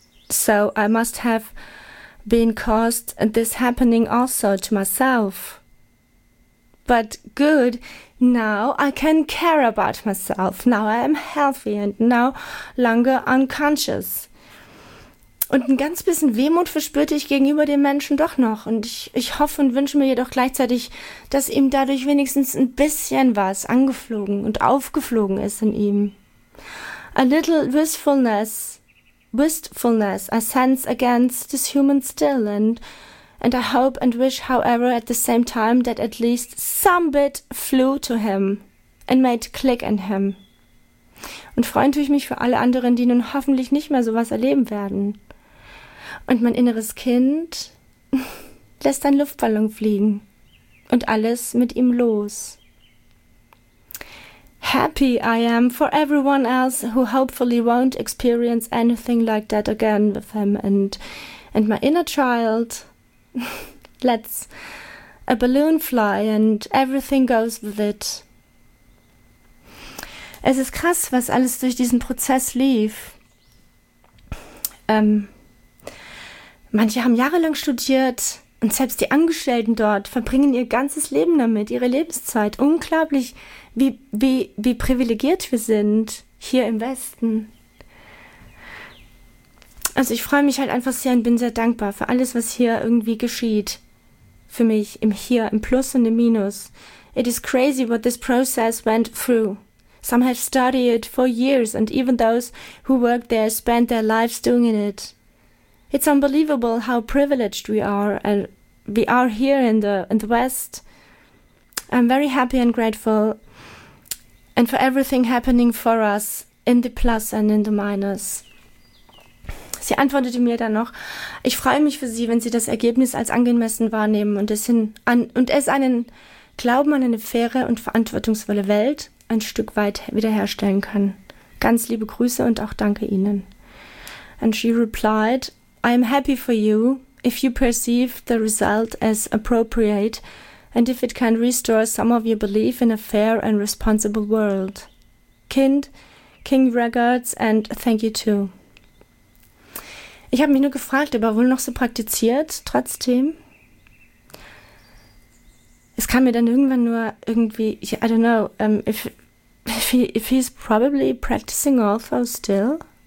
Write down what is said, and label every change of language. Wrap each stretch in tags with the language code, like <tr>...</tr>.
<en>So I must have been caused this happening also to myself. But good, now I can care about myself. Now I am healthy and no longer unconscious.</en> <de>Und ein ganz bisschen Wehmut verspürte ich gegenüber dem Menschen doch noch. Und ich hoffe und wünsche mir jedoch gleichzeitig, dass ihm dadurch wenigstens ein bisschen was angeflogen und aufgeflogen ist in ihm.</de> <en>A little wistfulness I sense against this human still. And I hope and wish, however, at the same time, that at least some bit flew to him and made click in him.</en> <de>Und freuen tue ich mich für alle anderen, die nun hoffentlich nicht mehr sowas erleben werden. Und mein inneres Kind lässt einen Luftballon fliegen und alles mit ihm los.</de> <en>Happy I am for everyone else who hopefully won't experience anything like that again with him. And my inner child lets a balloon fly and everything goes with it.</en> <de>Es ist krass, was alles durch diesen Prozess lief. Manche haben jahrelang studiert und selbst die Angestellten dort verbringen ihr ganzes Leben damit, ihre Lebenszeit. Unglaublich, wie privilegiert wir sind hier im Westen. Also ich freue mich halt einfach sehr und bin sehr dankbar für alles, was hier irgendwie geschieht. Für mich im Hier, im Plus und im Minus.</de> <en>It is crazy what this process went through. Some have studied for years and even those who worked there spent their lives doing it. It's unbelievable how privileged we are, and we are here in the West. I'm very happy and grateful, and for everything happening for us in the plus and in the minus.</en> <de>Sie antwortete mir dann noch: Ich freue mich für Sie, wenn Sie das Ergebnis als angemessen wahrnehmen und es einen Glauben an eine faire und verantwortungsvolle Welt ein Stück weit wiederherstellen kann. Ganz liebe Grüße und auch danke Ihnen.</de> <en>And she replied, I am happy for you if you perceive the result as appropriate and if it can restore some of your belief in a fair and responsible world. Kind, King regards and thank you too.</en> <de>Ich habe mich nur gefragt, ob er wohl noch so praktiziert, trotzdem. Es kam mir dann irgendwann nur irgendwie,</de> <en>I don't know, if he's probably practicing also still.</en>